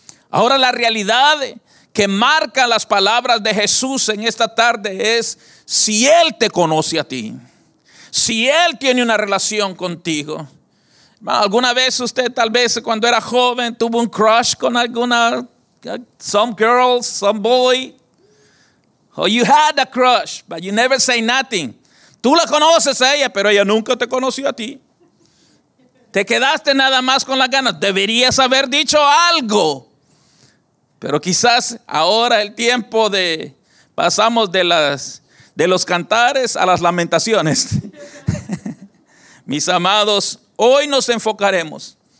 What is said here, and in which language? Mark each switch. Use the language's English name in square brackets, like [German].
[Spanish] Ahora, la realidad que marca las palabras de Jesús en esta tarde es: si Él te conoce a ti, si Él tiene una relación contigo. ¿Alguna vez usted, tal vez cuando era joven, tuvo un crush con alguna, [English] some girl, some boy? Or you had a crush, but you never say nothing. [Spanish] Tú la conoces a ella, pero ella nunca te conoció a ti. Te quedaste nada más con las ganas. Deberías haber dicho algo. Pero quizás ahora el tiempo de, pasamos de los cantares a las lamentaciones. Mis amados, hoy nos enfocaremos